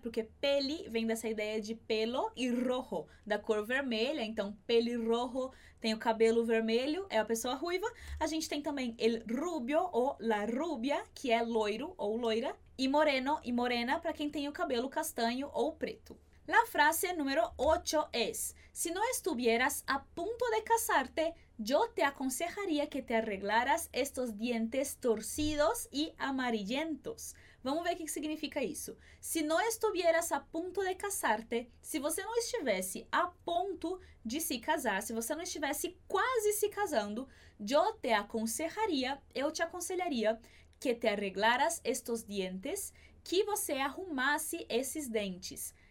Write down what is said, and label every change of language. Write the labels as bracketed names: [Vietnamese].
[Portuguese] Porque peli vem dessa ideia de pelo e rojo, da cor vermelha. Então, pelirrojo tem o cabelo vermelho, é a pessoa ruiva. A gente tem também el rubio ou la rubia, que é loiro ou loira. E moreno e morena para quem tem o cabelo castanho ou preto. [Spanish] La frase número 8 es, si no estuvieras a punto de casarte, yo te aconsejaría que te arreglaras estos dientes torcidos y amarillentos. [Portuguese] Vamos ver o que significa isso. [Spanish] Si no estuvieras a punto de casarte, [Portuguese] se você não estivesse a ponto de se casar, se você não estivesse quase se casando, [Spanish] yo te aconsejaría, [Portuguese] eu te aconselharia [Spanish] que te arreglaras estos dientes, [Portuguese] que você arrumasse esses dentes.